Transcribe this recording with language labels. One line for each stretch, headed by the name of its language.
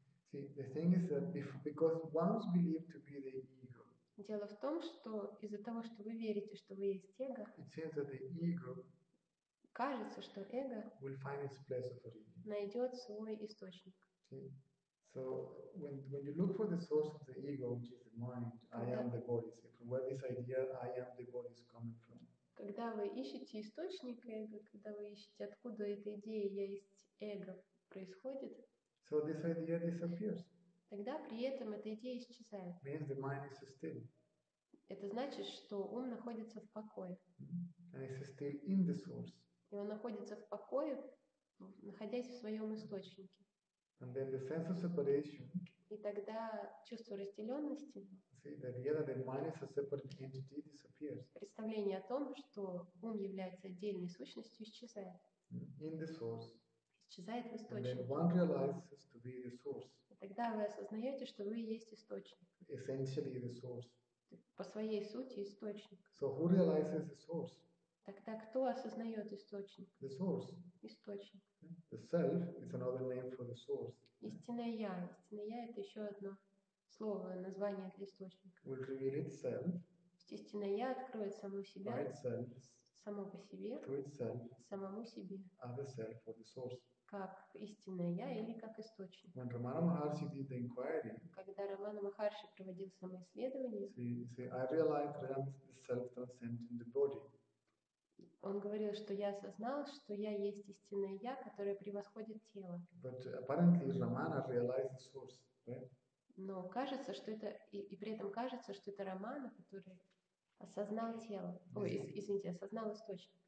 English: See, the thing is that because one's believed to be the ego,
Russian: дело в том, что из-за того, что вы верите, что вы есть эго,
English: it seems that the ego,
Russian: кажется, что эго
English: will find its place of origin,
Russian: найдет свой источник.
English: See? So when you look for the source of the ego, which is the mind, I am the body, see, from where this idea I am the body is coming from.
Russian: Когда вы ищете источник эго, когда вы ищете, откуда эта идея «я есть эго» происходит,
English: so this idea disappears.
Russian: Тогда при этом эта идея исчезает.
English: Means the mind is still.
Russian: Это значит, что ум находится в покое.
English: And it's still in the source.
Russian: И он находится в покое, находясь в своем источнике.
English: And then the sense of separation.
Russian: И тогда чувство разделенности.
English: See, the idea that the mind is a separate entity disappears.
Russian: Представление о том, что ум является отдельной сущностью, исчезает.
English: In the source.
Russian: Исчезает в источнике.
English: And then one realizes to be the source.
Russian: Тогда вы осознаете, что вы есть источник.
English: Essentially the source.
Russian: По своей сути источник.
English: So who realizes the source?
Russian: Тогда кто осознает источник?
English: The source.
Russian: Источник.
English: The self is another name for the source.
Russian: Истинное я. Истинное я – это еще одно слово, название для источника.
English: Will reveal itself.
Russian: Истинное я откроет само себя.
English: By itself.
Russian: Само по себе.
English: Through itself.
Russian: Самому себе.
English: As the self or the source.
Russian: Как истинное я или как источник.
English: When Ramana Maharshi did the inquiry,
Russian: когда Рамана Махарши проводил самоисследование,
English: I realized that I'm the self-transcending the body.
Russian: Он говорил, что я осознал, что я есть истинное я, которое превосходит тело.
English: But apparently Ramana realized the source, right?
Russian: Но кажется, что это и при этом кажется, что это Рамана, который осознал тело. Ой, извините, осознал источник.